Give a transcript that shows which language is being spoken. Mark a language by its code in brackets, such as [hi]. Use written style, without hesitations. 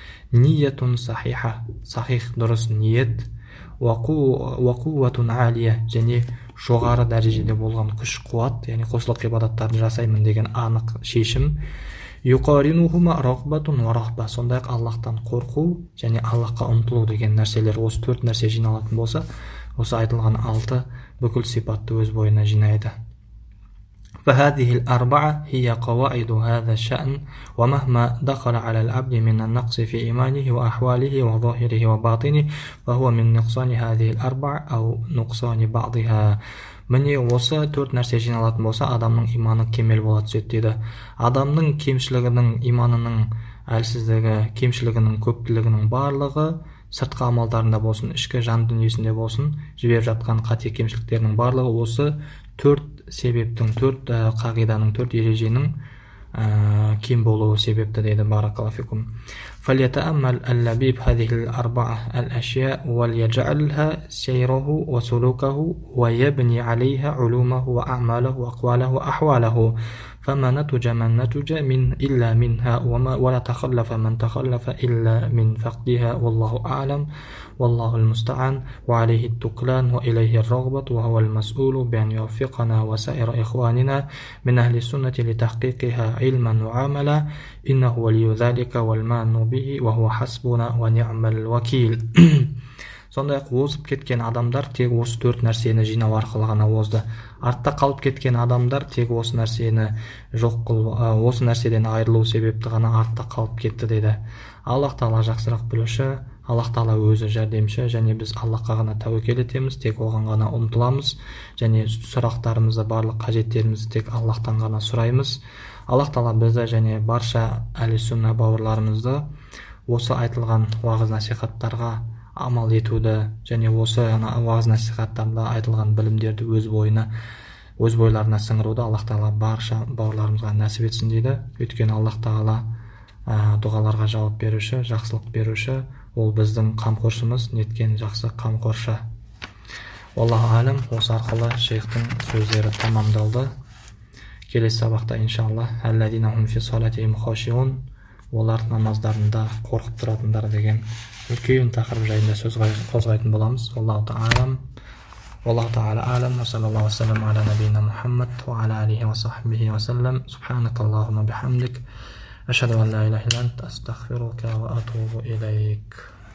[ar] نِيَّةٌ صَحِيحَةٌ [kk] Сахих дұрыс ниет. [ar] وَقُوَّةٌ عَالِيَةٌ [kk] Және жоғары дәрежеде болған күш қуат, яғни құлшылық ғибадаттарын жасаймын деген анық шешім. [ar] يُقَارِنُهُمَا رَغْبَةٌ وَرَهْبَةٌ [kk] Сондай-ақ Аллаһтан қорқу және Аллаһқа ұмтылу деген нәрселер осы төрт нәрсе жиналатын болса, осы айтылған алты бүкіл сипатты өз бойына жинайды. [ar] فَهَذِهِ الْأَرْبَعَةُ هِيَ قَوَاعِدُ هَذَا الشَّأْنِ وَمَهْمَا دَخَلَ عَلَى الْعَبْدِ مِنَ النَّقْصِ فِي إِيمَانِهِ وَأَحْوَالِهِ وَظَاهِرِهِ وَبَاطِنِهِ فَهُوَ مِنْ نُقْصَانِ هَذِهِ الْأَرْبَعَةِ أَوْ نُقْصَانِ بَعْضِهَا [kk] Міне осы төрт нәрсе жиналатын болса, адамның иманы кемел бола түседі дейді. Адамның кемшілігінің, иманының әлсіздігі, кемшілігінің көптілігінің барлығы сыртқы амалдарында болсын, ішкі жан дүниесінде болсын, жіберіп жатқан қате кемшіліктерінің барлығы осы төрт себептің, төрт қағиданың, төрт ереженің кем болуы себепті дейді баракаллаһу фикум. [ar] فليتأمل اللبيب هذه الأربعة الأشياء وليجعلها سيره وسلوكه ويبني عليها علومه وأعماله وأقواله وأحواله فما نتج من نتج من إلا منها وما ولا تخلف من تخلف إلا من فقدها والله أعلم والله المستعان وعليه التكلان وإليه الرغبة وهو المسؤول بأن يوفقنا وسائر إخواننا من أهل السنة لتحقيقها علما وعملا إنه ولي ذلك والمعنى [kk] Сондай-ақ озып кеткен адамдар тек осы төрт нәрсені жинау арқылы ғана озды. Артта қалып кеткен адамдар тек осы нәрсені жоқ қыл, осы нәрседен айырылу себепті ғана артта қалып кетті деді. Аллаһ тағала жақсырақ білуші, Аллаһ тағала өзі жәрдемші және біз Аллаһқа ғана тәуекел етеміз, тек оған ғана ұмтыламыз және сұрақтарымызды, барлық қажеттерімізді тек Аллаһтан ғана сұраймыз. Аллаһ тағала бізді және барша әлі сүнна бауырларымызды осы айтылған уағыз насихаттарға амал етуді және осы уағыз насихаттарда айтылған білімдерді өз бойына, өз бойларына сіңіруді Аллаһ тағала барша бауырларымызға нәсіп етсін дейді. Өйткені Аллаһ тағала дұғаларға жауап беруші, жақсылық беруші, Ол біздің қамқоршымыз, неткен жақсы қамқорша. Аллаһу алам, осы арқылы шейхтің сөздері тамамдалды. Келесі сабақта иншаллах, [ar] әлләдина хум фи салатихим хашиун, [kk] олар намаздарында қорқып тұратындар деген үлкен тақырып жайында сөз қозғайтын боламыз. Аллаһу алам. [ar] والله تعالى أعلم وصلى الله وسلم على نبينا محمد وعلى آله وصحبه وسلم سبحانك اللهم وبحمدك أشهد أن لا إله إلا أنت أستغفرك وأتوب إليك